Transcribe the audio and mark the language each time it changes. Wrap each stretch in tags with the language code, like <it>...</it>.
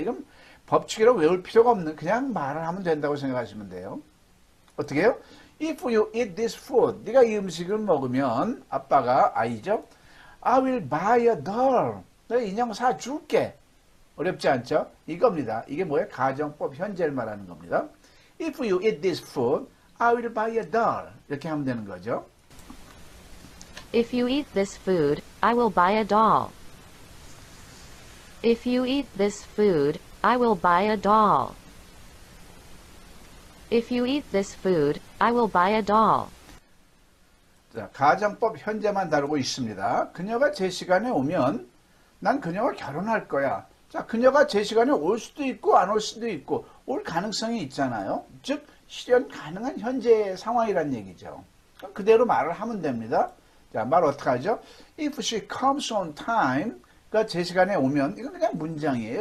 <ko>이건 법칙이라고 외울 필요가 없는 그냥 말을 하면 된다고 생각하시면 돼요. 어떻게 해요?</ko> <en>If you eat this food,</en> <ko>네가 이 음식을 먹으면 아빠가 아이죠?</ko> <en>I will buy a doll.</en> <ko>너 인형 사줄게. 어렵지 않죠? 이겁니다. 이게 뭐예요? 가정법 현재를 말하는 겁니다.</ko> <en>If you eat this food, I will buy a doll.</en> <ko>이렇게 하면 되는 거죠.</ko> <en>If you eat this food, I will buy a doll. If you eat this food, I will buy a doll. If you eat this food, I will buy a doll.</en> <ko>자, 가정법 현재만 다루고 있습니다. 그녀가 제 시간에 오면 난 그녀와 결혼할 거야. 자, 그녀가 제 시간에 올 수도 있고 안올 수도 있고 올 가능성이 있잖아요. 즉, 실현 가능한 현재의 상황이란 얘기죠. 그대로 말을 하면 됩니다. 자, 말 어떻게 하죠?</ko> <en>If she comes on time,</en> <ko>그러니까 제 시간에 오면 이건 그냥 문장이에요.</ko>